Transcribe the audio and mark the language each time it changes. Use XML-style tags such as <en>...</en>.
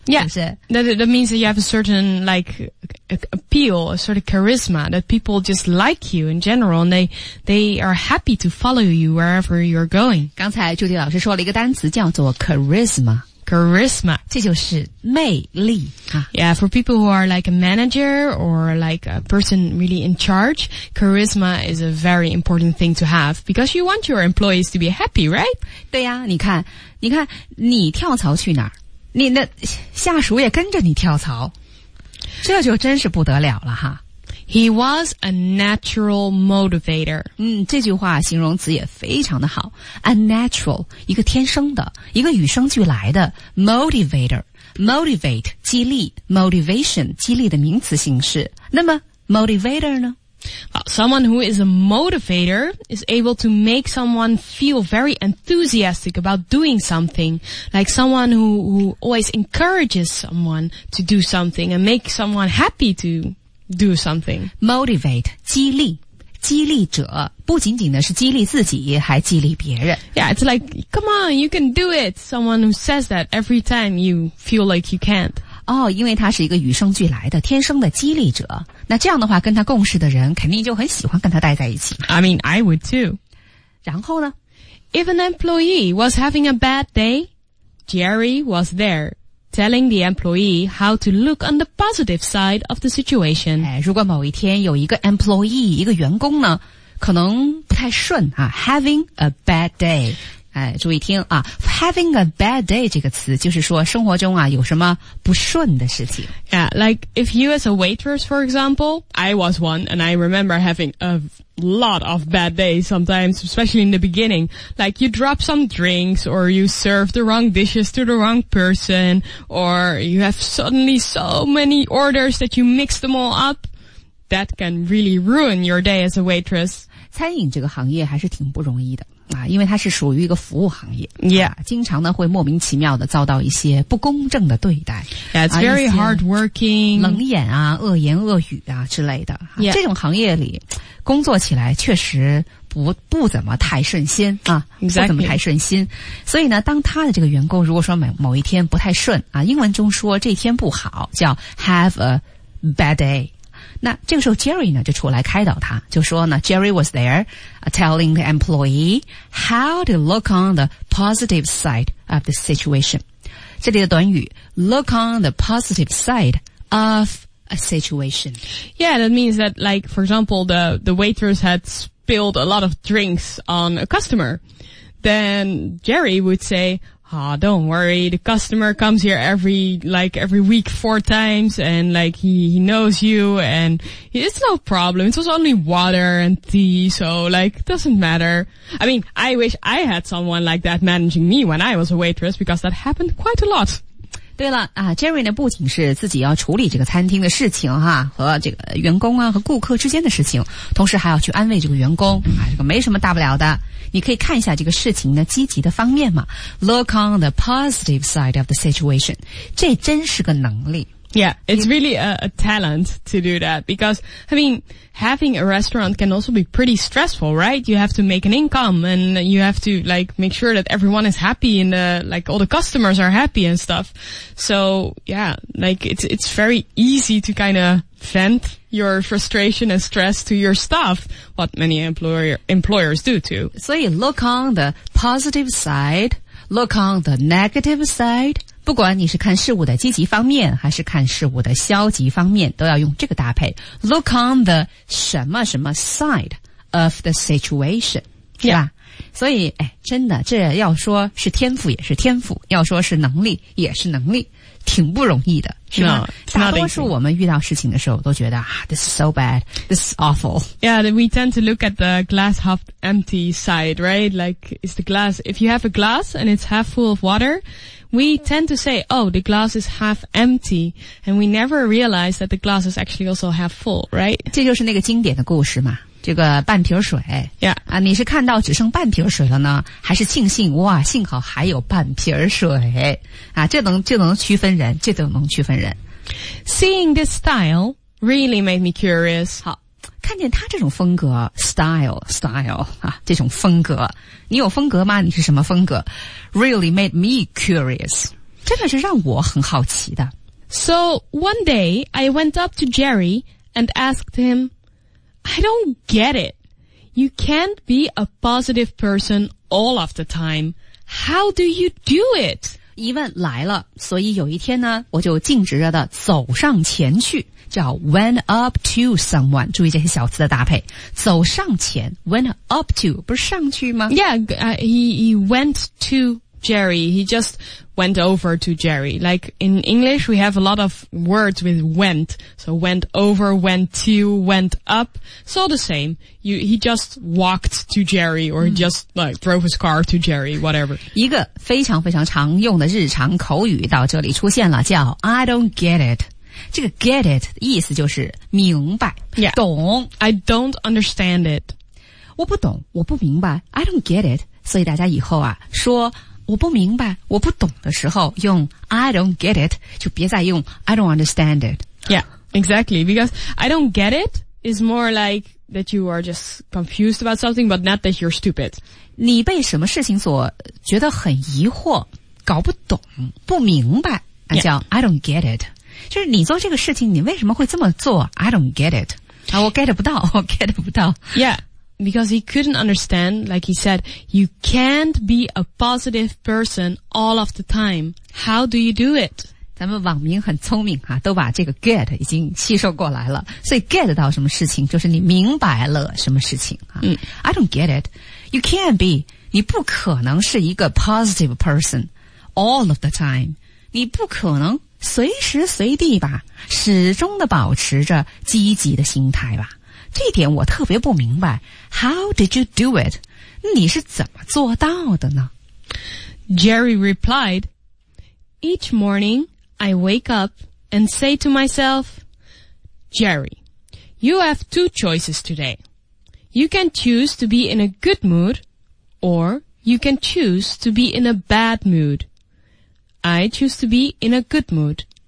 <en>Yeah,</en> <zh>是不是？</zh> <en>That means that you have a certain, like, appeal, a sort of charisma, that people just like you in general, and they are happy to follow you wherever you're going.</en> <zh>刚才朱迪老师说了一个单词叫做 charisma。</zh> <en>Charisma.</en> <zh>这就是魅力。</zh> <en>Yeah, for people who are like a manager or like a person really in charge, charisma is a very important thing to have because you want your employees to be happy, right?</en> <zh>对呀，你看你跳槽去哪儿，你的下属也跟着你跳槽，这就真是不得了了哈。</zh> <en>He was a natural motivator.</en> <zh>嗯，这句话形容词也非常的好。</zh> <en>A natural,</en> <zh>一个天生的，一个与生俱来的 motivator. Motivate, 激励 ,motivation, 激励的名词形式。那么 motivator 呢？</zh> <en>Someone who is a motivator is able to make someone feel very enthusiastic about doing something. Like someone who always encourages someone to do something and make someone happy to... do something.</en> <zh>Motivate, 激励。激励者不仅仅的是激励自己，还激励别人。</zh> <en>Yeah, it's like, come on, you can do it. Someone who says that every time you feel like you can't.</en> <zh>哦，因为他是一个与生俱来的，天生的激励者。那这样的话，跟他共事的人肯定就很喜欢跟他待在一起。</zh> <en>I mean, I would too.</en> <zh>然后呢？</zh> <en>If an employee was having a bad day, Jerry was there. Telling the employee how to look on the positive side of the situation.</en> <zh>哎，如果某一天有一个 employee, 一个员工呢，可能不太顺啊，</zh> <en>having a bad day.</en> <zh>哎，注意听啊，</zh> <en>having a bad day</en> <zh>这个词就是说生活中啊有什么不顺的事情。</zh> <en>Yeah, like if you as a waitress, for example, I was one and I remember having a lot of bad days sometimes, especially in the beginning. Like you drop some drinks or you serve the wrong dishes to the wrong person or you have suddenly so many orders that you mix them all up. That can really ruin your day as a waitress.</en> <zh>餐饮这个行业还是挺不容易的。啊，因为它是属于一个服务行业。</zh> <en>Yeah.</en> <zh>啊，经常呢会莫名其妙的遭到一些不公正的对待。</zh> <en>Yeah, it's very hardworking.</en> <zh>冷眼啊，恶言恶语啊之类的。啊，</zh> <en>yeah.</en> <zh>这种行业里工作起来确实不怎么太顺心啊。</zh> <en>Exactly.</en> <zh>不怎么太顺心。所以呢当他的这个员工如果说某一天不太顺啊，英文中说这天不好叫</zh> <en>have a bad day。</en> <zh>那这个时候</zh> <en>Jerry</en> <zh>呢就出来开导他，就说呢</zh> <en>Jerry was there、telling the employee how to look on the positive side of the situation.</en> <zh>这里的短语</zh> <en>look on the positive side of a situation. Yeah, that means that like, for example, the waitress had spilled a lot of drinks on a customer. Then Jerry would say, Oh, don't worry. The customer comes here every week 4 times and like he knows you and it's no problem. It was only water and tea. So like, doesn't matter. I mean, I wish I had someone like that managing me when I was a waitress because that happened quite a lot.</en> <zh>对了啊 ,Jerry 呢不仅是自己要处理这个餐厅的事情哈和这个员工啊和顾客之间的事情同时还要去安慰这个员工啊这个没什么大不了的。你可以看一下这个事情的积极的方面嘛。</zh> <en>Look on the positive side of the situation.</en> <zh>这真是个能力。</zh> <en>Yeah, it's really a talent to do that because, I mean, having a restaurant can also be pretty stressful, right? You have to make an income and you have to like make sure that everyone is happy and like all the customers are happy and stuff. So yeah, like it's very easy to kind of vent your frustration and stress to your staff, what many employers do too. So you look on the positive side, look on the negative side,</en> <zh>不管你是看事物的积极方面还是看事物的消极方面都要用这个搭配</zh> <en>Look on the</en> <zh>什么什么</zh> <en>side of the situation、 yeah.</en> <zh>是吧所以哎，真的这要说是天赋也是天赋要说是能力也是能力挺不容易的是吧</zh> <en>no,</en> <zh>大多数我们遇到事情的时候都觉得、啊、</zh> <en>This is so bad This is awful Yeah, we tend to look at the glass half empty side, right? Like, is the glass If you have a glass and it's half full of waterWe tend to say, oh, the glass is half empty, and we never realize that the glass is actually also half full, right?</en> <zh>这就是那个经典的故事嘛，这个半瓶水。</zh> <en>Yeah.</en> <zh>啊，你是看到只剩半瓶水了呢，还是庆幸，哇，幸好还有半瓶水。啊，这能区分人，这都能区分人。</zh> <en>Seeing this style really made me curious.</en> <zh>好，看见他这种风格，style, 啊，这种风格。你有风格吗？你是什么风格？</zh> <en>Really made me curious.</en> <zh>真的是让我很好奇的。</zh> <en>So one day, I went up to Jerry and asked him, I don't get it. You can't be a positive person all of the time. How do you do it?</en> <zh>疑问来了，所以有一天呢，我就径直的走上前去，叫</zh> <en>went up to someone</en> <zh>注意这些小词的搭配走上前</zh> <en>went up to</en> <zh>不是上去吗</zh> <en>Yeah, he went to Jerry He just went over to Jerry Like in English we have a lot of words with went So went over, went to, went up It's all the same He just walked to Jerry Or he just like drove his car to Jerry Whatever</en> <zh>一个非常非常常用的日常口语到这里出现了叫</zh> <en>I don't get it</en> <zh>这个 get it 意思就是明白</zh> <en>yeah,</en> <zh>懂</zh> <en>I don't understand it</en> <zh>我不懂我不明白</zh> <en>I don't get it</en> <zh>所以大家以后啊说我不明白我不懂的时候用 I don't get it 就别再用</zh> <en>I don't understand it Yeah, exactly Because I don't get it is more like that you are just confused about something but not that you're stupid</en> <zh>你被什么事情所觉得很疑惑搞不懂不明白那叫、</zh> <en>yeah. I don't get it</en> <zh>就是你做这个事情你为什么会这么做 I don't get it 啊，我 get 不到我 get 不到</zh> <en>Yeah Because he couldn't understand Like he said You can't be a positive person All of the time How do you do it?</en> <zh>咱们网民很聪明啊，都把这个 get 已经吸收过来了所以 get 到什么事情就是你明白了什么事情、啊</zh> <en>I don't get it You can't be</en> <zh>你不可能是一个</zh> <en>positive person All of the time</en> <zh>你不可能随时随地吧始终地保持着积极的心态吧这点我特别不明白</zh> <en>How did you do it?</en> <zh>你是怎么做到的呢</zh> <en>Jerry replied Each morning I wake up and say to myself Jerry, you have two choices today You can choose to be in a good mood Or you can choose to be in a bad moodI choose to be in a good mood.</en>